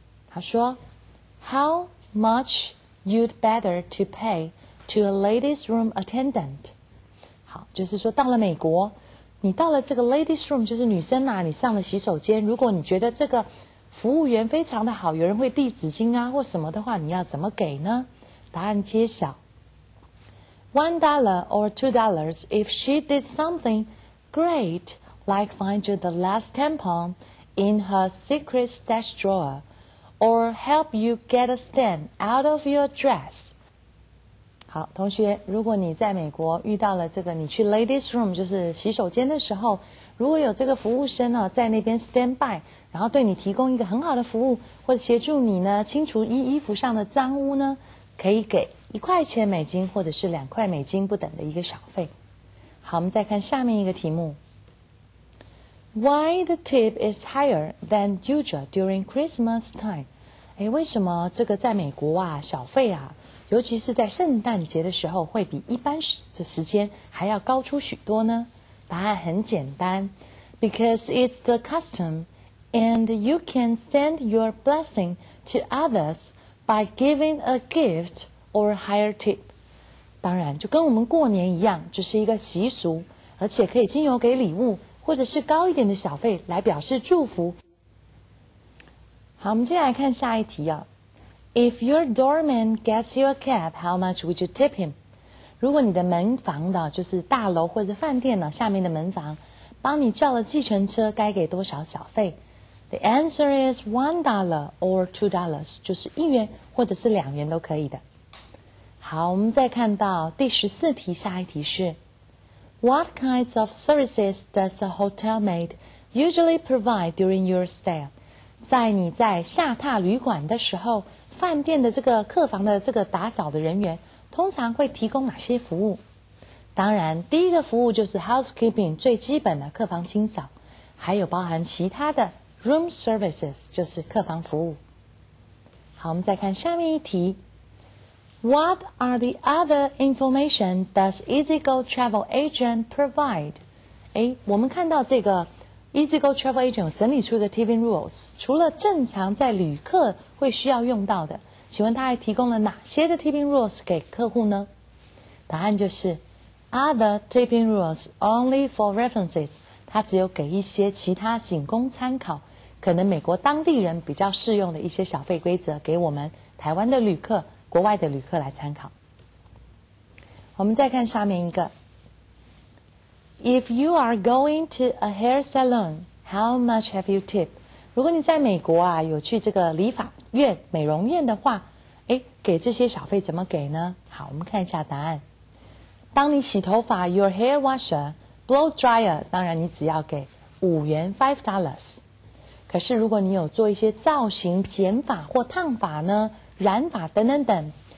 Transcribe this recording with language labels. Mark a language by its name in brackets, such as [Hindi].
[Chinese] 他说 [English] How much you'd better to pay to a ladies room attendant？ [Chinese] 好，就是说到了美国，你到了这个 ladies room， 就是女生啊，你上了洗手间，如果你觉得这个服务员非常的好，有人会递纸巾啊或什么的话，你要怎么给呢？答案揭晓。 [English] $1 or $2 if she did something great like find you the last tampon in her secret stash drawer or help you get a stain out of your dress. [Chinese] 好，同学，如果你在美国遇到了这个，你去 ladies room 就是洗手间的时候，如果有这个服务生啊，在那边 [English] stand by， [Chinese] 然后对你提供一个很好的服务，或者协助你呢清除衣服上的脏污呢，可以给$1或者是$2不等的一个小费。好，我们再看下面一个题目。 [English] Why the tip is higher than usual during Christmas time？ [Chinese] 诶，为什么这个在美国啊，小费啊，尤其是在圣诞节的时候，会比一般的时间还要高出许多呢？答案很简单 [English] ，Because it's the custom， and you can send your blessing to others by giving a gift。 or higher tip， [Chinese] 当然就跟我们过年一样，就是一个习俗，而且可以经由给礼物或者是高一点的小费来表示祝福。好，我们接下来看下一题啊。 [English] If your doorman gets you a cab, how much would you tip him？ [Chinese] 如果你的门房的，就是大楼或者饭店呢下面的门房，帮你叫了计程车，该给多少小费 ？ [English] The answer is $1 or $2， [Chinese] 就是1元或者是2元都可以的。好，我们再看到第14题，下一题是 [English] What kinds of services does a hotel maid usually provide during your stay？ [Chinese] 在你在下榻旅馆的时候，饭店的这个客房的这个打扫的人员通常会提供哪些服务？当然第一个服务就是 housekeeping， 最基本的客房清扫，还有包含其他的 room services， 就是客房服务。好，我们再看下面一题。 [English] What are the other information does EasyGo Travel Agent provide？ [Chinese] 诶，我们看到这个 EasyGo Travel Agent 有整理出的 Tipping Rules， 除了正常在旅客会需要用到的，请问他还提供了哪些的 Tipping Rules 给客户呢？答案就是 [English] Other Tipping Rules only for references， [Chinese] 他只有给一些其他仅供参考，可能美国当地人比较适用的一些小费规则给我们台湾的旅客、国外的旅客来参考。我们再看下面一个。 [English] If you are going to a hair salon, how much have you tipped？ [Chinese] 如果你在美国啊，有去这个理发院、美容院的话，诶，给这些小费怎么给呢？好，我们看一下答案。当你洗头发 ， [English] your hair washer, blow dryer， [Chinese] 当然你只要给5元 $5。可是如果你有做一些造型、剪发或烫发呢？染发等等等，